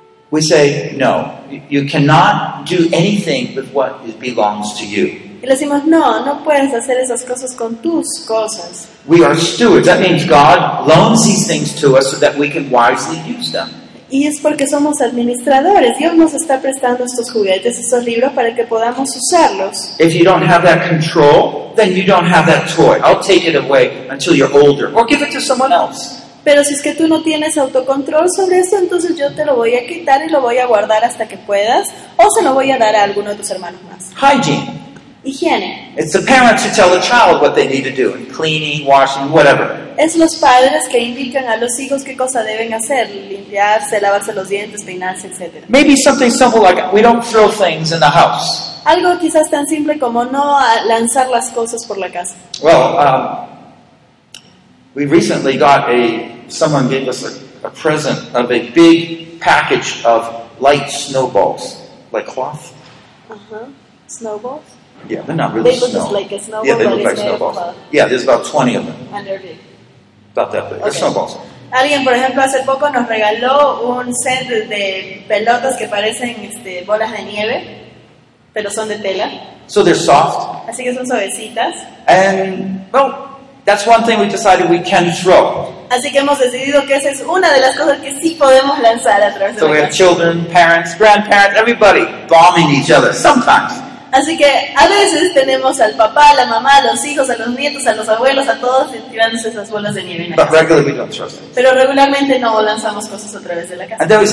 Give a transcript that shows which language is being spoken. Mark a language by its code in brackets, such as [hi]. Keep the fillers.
[en] We say, no, you cannot do anything with what belongs to you. [es] Y le decimos, no, no puedes hacer esas cosas con tus cosas. [en] We are stewards. That means God loans these things to us so that we can wisely use them. [es] Y es porque somos administradores. Dios nos está prestando estos juguetes, estos libros para que podamos usarlos. [en] If you don't have that control, then you don't have that toy, I'll take it away until you're older. Or give it to someone else. [es] Pero si es que tú no tienes autocontrol sobre eso, entonces yo te lo voy a quitar y lo voy a guardar hasta que puedas. O se lo voy a dar a alguno de tus hermanos más. [en] Hygiene. [es] Higiene. [en] It's the parents who tell the child what they need to do, cleaning, washing, whatever. [es] Es los padres que indican a los hijos qué cosa deben hacer, limpiarse, lavarse los dientes, peinarse, etc. [en] Maybe something simple like we don't throw things in the house. [es] Algo quizás tan simple como no lanzar las cosas por la casa. [en] Well, um, we recently got a someone gave us a, a present of a big package of light snowballs, like cloth. Uh huh. Snowballs. Yeah, they're not really they snow. Like yeah, they look like snowballs. About, yeah, there's about 20 of them. And they're big. About that big. Okay. They're snowballs. [es] Alguien, por ejemplo, hace poco nos regaló un set de pelotas que parecen este, bolas de nieve, pero son de tela. [en] So they're soft. [es] Así que son suavecitas. [en] And, well, that's one thing we decided we can throw. [es] Así que hemos decidido que esa es una de las cosas que sí podemos lanzar a través [en] So we have children, parents, grandparents, everybody bombing each other sometimes. [es] Así que a veces tenemos al papá, a la mamá, a los hijos, a los nietos, a los abuelos, a todos tirándose esas bolas de nieve. En la casa. Pero regularmente no lanzamos cosas a través de la casa.